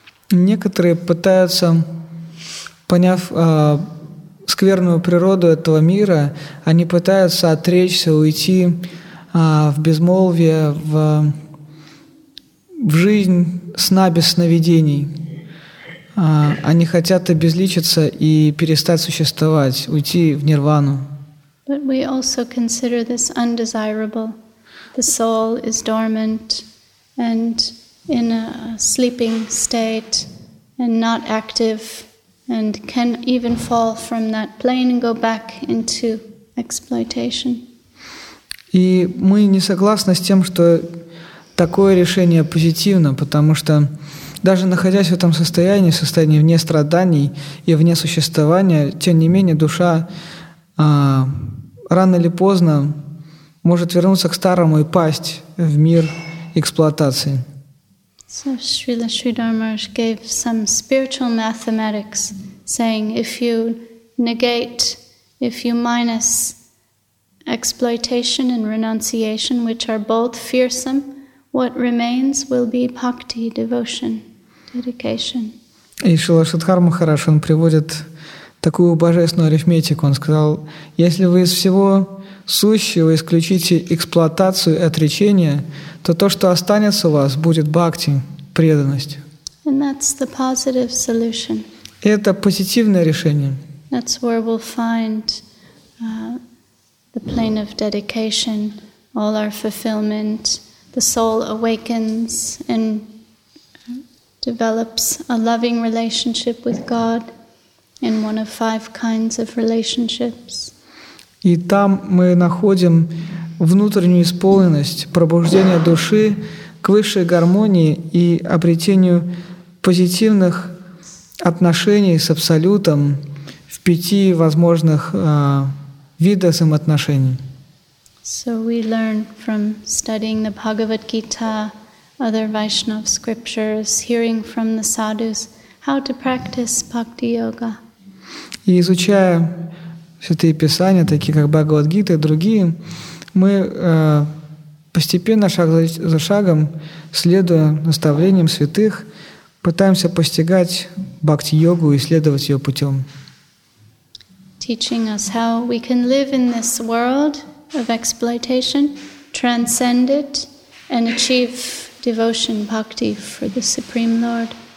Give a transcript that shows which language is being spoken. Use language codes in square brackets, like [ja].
[ru] Некоторые пытаются, поняв скверную природу этого мира, они пытаются отречься, уйти в безмолвие, в жизнь сна без сновидений. Они хотят обезличиться и перестать существовать, уйти в нирвану. [en] But we also consider this undesirable. The soul is dormant and in a sleeping state and not active and can even fall from that plane and go back into exploitation. [ru] И мы не согласны с тем, что такое решение позитивно, потому что даже находясь в этом состоянии, в состоянии вне страданий и вне существования, тем не менее душа рано или поздно может вернуться к старому и пасть в мир эксплуатации. [en] So Srila Sridhar Maharaj gave some spiritual mathematics, saying if you negate, if you minus exploitation and renunciation, which are both fearsome, what remains will be bhakti, devotion, dedication. [ru] И Шрила Шридхар Махарадж, он приводит такую божественную арифметику. Он сказал, если вы из всего сущего исключите эксплуатацию и отречение, то то, что останется у вас, будет бхакти, преданность. [en] And that's the positive solution. [ru] И это позитивное решение. [en] That's where we'll find the plane of dedication, all our fulfillment. The soul awakens and develops a loving relationship with God in one of five kinds of relationships. [ru] И там мы находим внутреннюю исполненность, пробуждение души к высшей гармонии и обретению позитивных отношений с Абсолютом в пяти возможных видах взаимоотношений. [en] So we learn from studying the Bhagavad Gita, other Vaishnava scriptures, hearing from the sadhus, how to practice bhakti yoga. [ru] И изучая святые писания, такие как Бхагавад Гита и другие, мы постепенно, шаг за шагом, следуя наставлениям святых, пытаемся постигать бхакти-йогу и следовать ее путем. [en] Teaching us how we can live in this world of exploitation, transcend it, and achieve devotion bhakti for the Supreme Lord.